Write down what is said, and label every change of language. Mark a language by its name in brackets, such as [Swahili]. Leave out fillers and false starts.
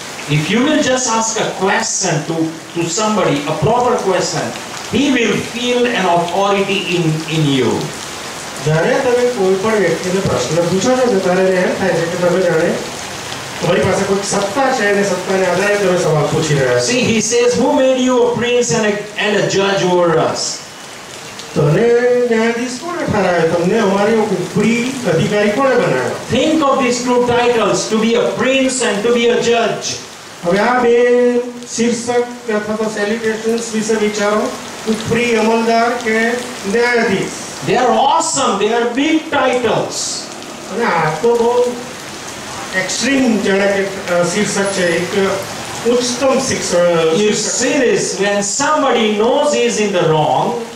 [English] If you will just ask a question to somebody, a proper question, he will feel an authority in you. [Gujarati] જ્યારે તમે કોઈ પણ વ્યક્તિને પ્રશ્ન પૂછો છો તો ત્યારે એમ થાય છે કે તમે જાણે તમારી પાસે કોઈ સત્તા છે અને સત્તાને આધારે તમે સવાલ પૂછી રહ્યા છો. [English] See, he says, who made you a prince and a judge over us? [Gujarati] તને ન્યાયાધીશ કોણે ઠરાવ્યો? તમને અમારી ઉપરી અધિકારી કોણે બનાવ્યો? [English] Think of these two titles, to be a prince and to be a judge. [Gujarati] હવે આ બે શીર્ષક અથવા તો સેલિબ્રેશન્સ વિશે વિચારો. ઉપરી અમલદાર કે ન્યાયાધીશ. [English] They are awesome. They are big titles. [Gujarati] અને આ તો બહુ એક્સ્ટ્રીમ જણે કે શીર્ષક છે, એક ઉચ્ચતમ શીર્ષક. [English] You see this, when somebody knows he is in the wrong,